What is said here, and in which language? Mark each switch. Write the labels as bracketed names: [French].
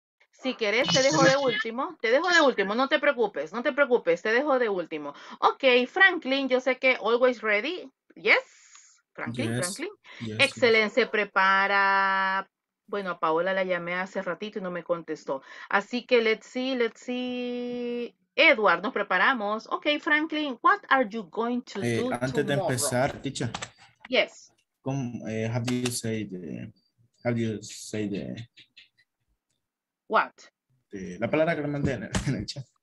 [Spanish] Si quieres, te dejo de último. Te dejo de último, no te preocupes, no te preocupes, te dejo de último. Ok, Franklin, yo sé que [English] always ready. Yes, Franklin, yes. [Spanish] Franklin. Yes, excelente, yes. Se prepara. Bueno, a Paola la llamé hace ratito y no me contestó. Así que [English] let's see... [Spanish] Edward, nos preparamos. [English] Ok, Franklin, what are you going to do [Spanish] antes [English] tomorrow? [Spanish] Antes de empezar, teacher. [English] Yes. Como, have you said, have you said the... What? [Spanish] La palabra que le mandé en el chat.